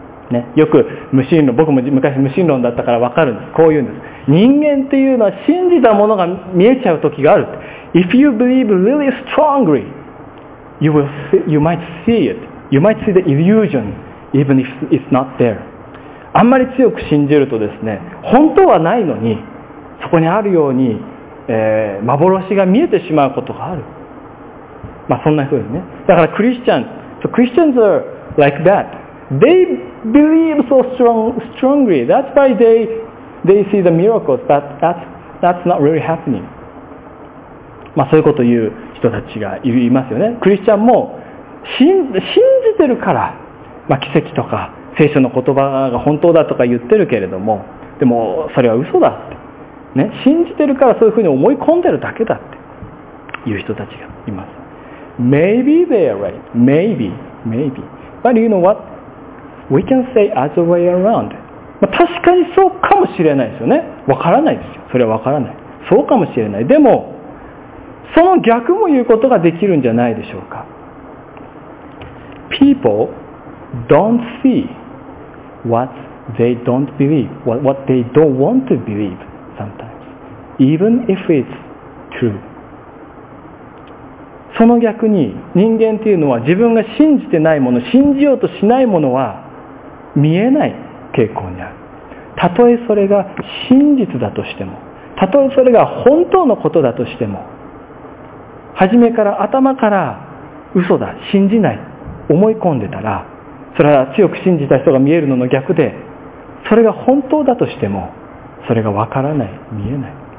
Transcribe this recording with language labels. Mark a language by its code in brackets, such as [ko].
[ja] ね、よく無神論、僕も昔無神論だったから分かるんです。こう言うんです。人間っていうのは信じたものが見えちゃう時がある。 [en] If you believe really strongly, you might see it. You might see the illusion, even if it's not there. [ja] あんまり強く信じるとですね、本当はないのに、そこにあるように、幻が見えてしまうことがある。まあそんな風にね。だからクリスチャン、 [en] so Christians are like that. They believe so strongly. That's why they see the miracles, but that's not really happening. [ja] まあそういうことを言う人たちがいますよね。クリスチャンも信じてるから、まあ奇跡とか聖書の言葉が本当だとか言ってるけれども、でもそれは嘘だ。ね、信じてるからそういうふうに思い込んでるだけだっていう人たちがいます。 [en] Maybe they are right. Maybe, maybe. But you know what? We can say other way around. [ja] まあ確かにそうかもしれないですよね。わからないですよ。それはわからない。そうかもしれない。でも、その逆も言うことができるんじゃないでしょうか。 [en] People don't see what they don't believe, what they don't want to believe sometimes, even if it's true. [ja] その逆に人間というのは自分が信じてないもの、信じようとしないものは見えない傾向にある。たとえそれが真実だとしても、たとえそれが本当のことだとしても、初めから頭から嘘だ、信じない、思い込んでたら、それは強く信じた人が見えるのの逆で、それが本当だとしても、それがわからない、見えない。